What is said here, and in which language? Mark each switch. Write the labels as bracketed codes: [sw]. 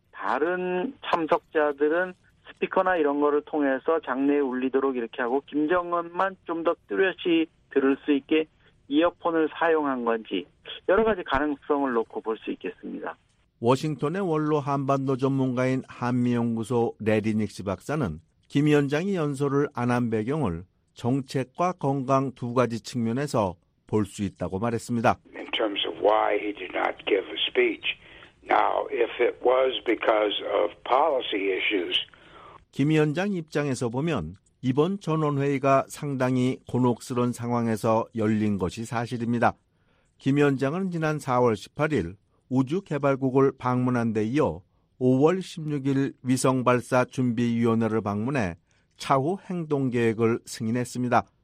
[ko] 다른 참석자들은 스피커나 이런 거를 통해서 장내에 울리도록 이렇게 하고 김정은만 좀 더 뚜렷이 들을 수 있게 이어폰을 사용한 건지 여러 가지 가능성을 놓고 볼 수 있겠습니다. 워싱턴의 원로 한반도 전문가인 한미연구소 레리닉스 박사는 김 위원장이 연설을 안 한 배경을 정책과 건강 두 가지 측면에서 볼 수 있다고 말했습니다. [en] In terms of why he did not give a speech. Now, if it was because of policy issues. [ko] 김 위원장 입장에서 보면 이번 전원회의가 상당히 곤혹스러운 상황에서 열린 것이 사실입니다. 김 위원장은 지난 4월 18일 우주개발국을 방문한 데 이어 5월 16일 위성발사준비위원회를 방문해 차후 행동계획을 승인했습니다.